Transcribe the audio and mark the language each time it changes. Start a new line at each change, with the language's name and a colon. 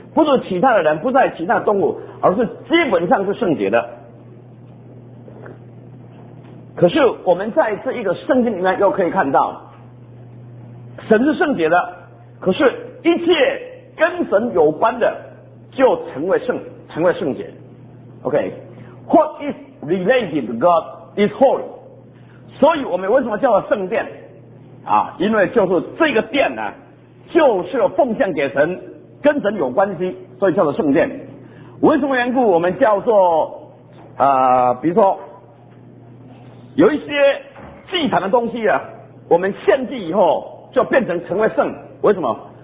Chinese: 不是其他的人，不在其他的动物，而是基本上是圣洁的。可是我们在这一个圣经里面又可以看到，神是圣洁的，可是一切跟神有关的就成为圣洁。
English: OK， What is related to God is holy。
Chinese: 所以我们为什么叫做圣殿啊？因为就是这个殿呢，就是奉献给神，跟神有关系，所以叫做圣殿。为什么缘故我们叫做比如说有一些祭坛的东西啊，我们献祭以后就成为圣。为什么？